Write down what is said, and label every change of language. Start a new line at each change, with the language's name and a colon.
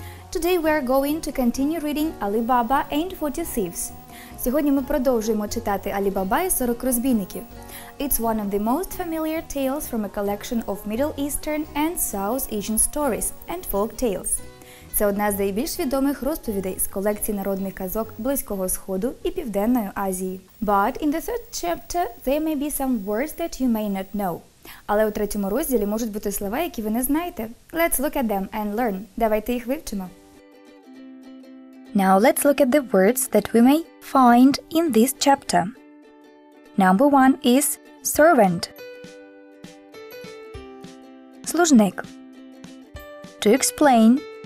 English: Today we are going to continue reading Alibaba and 40 Thieves.
Ukrainian: Сьогодні ми продовжуємо читати Alibaba і 40 розбійників.
English: It's one of the most familiar tales from a collection of Middle Eastern and South Asian stories and folk tales.
Ukrainian: Це одна з найбільш відомих розповідей з колекції народних казок Близького Сходу і Південної Азії.
English: But in the third chapter there may be some words that you may not know.
Ukrainian: Але у третьому розділі можуть бути слова, які ви не знаєте.
English: Let's look at them and learn.
Ukrainian: Давайте їх вивчимо.
English: Now let's look at the words that we may find in this chapter. Number one is servant. Служник. To explain.